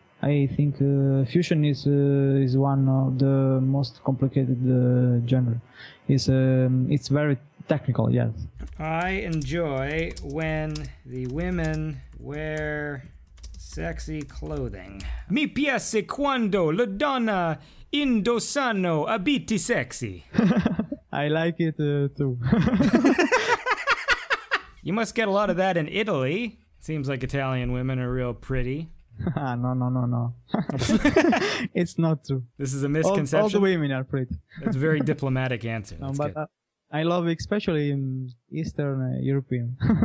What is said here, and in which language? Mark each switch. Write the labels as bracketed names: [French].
[English] I think fusion is one of the most complicated genre. It's very technical, yes. I enjoy when the women wear sexy clothing. [Italian] Mi piace quando le donne indossano abiti sexy. [English] I like it too. You must get a lot of that in Italy. Seems like Italian women are real pretty. No. It's not true. This is a misconception. All the women are pretty. That's a very diplomatic answer. No, but I love especially in Eastern European.